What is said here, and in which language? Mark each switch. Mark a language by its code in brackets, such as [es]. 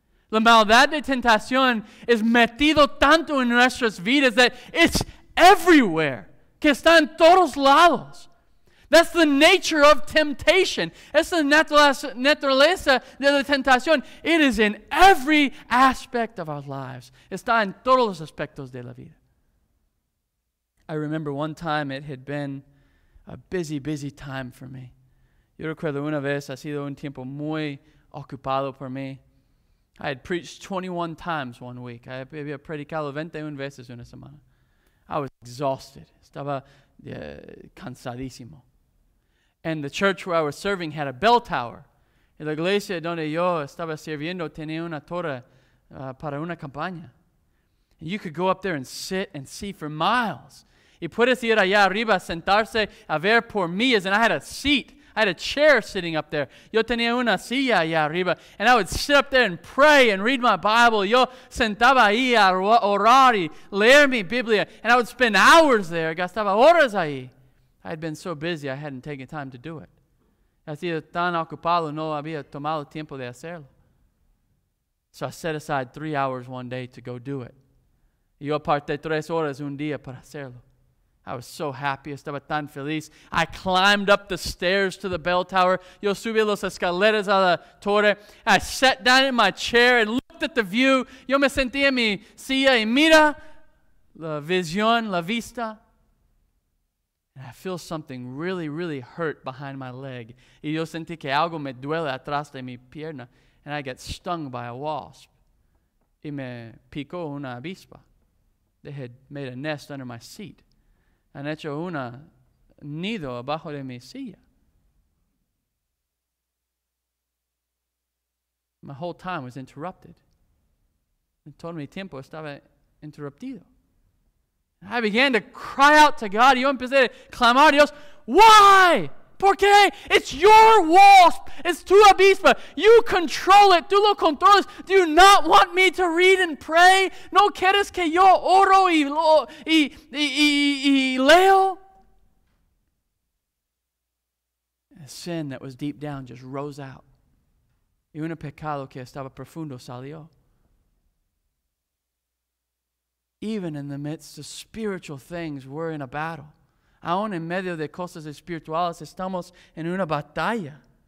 [es] La maldad de tentación es metido tanto en nuestras vidas [en] that it's everywhere. [es] Que está en todos lados. [en] That's the nature of temptation. [es] Es la naturaleza de la tentación. [en] It is in every aspect of our lives. [es] Está en todos los aspectos de la vida. [en] I remember one time it had been a busy, busy time for me. [es] Yo recuerdo una vez ha sido un tiempo muy ocupado por mí. [en] I had preached 21 times one week. I [es] había predicado 21 veces una semana. [en] I was exhausted. [es] Estaba cansadísimo. [en] And the church where I was serving had a bell tower. [es] Y la iglesia donde yo estaba sirviendo tenía una torre para una campaña. [en] And you could go up there and sit and see for miles. [es] Y puedes ir allá arriba a sentarse a ver por millas. [en] And I had a seat. I had a chair sitting up there. [es] Yo tenía una silla allá arriba. [en] And I would sit up there and pray and read my Bible. [es] Yo sentaba ahí a orar y leer mi Biblia. [en] And I would spend hours there. [es] Gastaba horas ahí. [en] I had been so busy, I hadn't taken time to do it. [es] Hacía tan ocupado, no había tomado tiempo de hacerlo. [en] So I set aside 3 hours one day to go do it. [es] Yo aparté 3 horas un día para hacerlo. [en] I was so happy. [es] Estaba tan feliz. [en] I climbed up the stairs to the bell tower. [es] Yo subí los escaleras a la torre. [en] I sat down in my chair and looked at the view. [es] Yo me sentí en mi silla y mira la visión, la vista. [en] And I feel something really, really hurt behind my leg. [es] Y yo sentí que algo me duele atrás de mi pierna. [en] And I get stung by a wasp. [es] Y me picó una avispa. [en] They had made a nest under my seat. [es] Han hecho un nido abajo de mi silla. [en] My whole time was interrupted. And [es] todo mi tiempo estaba interrumpido. [en] I began to cry out to God. [es] Yo empecé a clamar a Dios. [en] Why? [es] ¿Por qué? [en] It's your wasp. It's [es] tu avispa. [en] You control it. [es] Tú lo controlas. [en] Do you not want me to read and pray? [es] ¿No quieres que yo oro y leo? [en] A sin that was deep down just rose out. [es] Y un pecado que estaba profundo salió. [en] Even in the midst of spiritual things, we're in a battle. [es] Aún en medio de cosas espirituales, estamos en una batalla.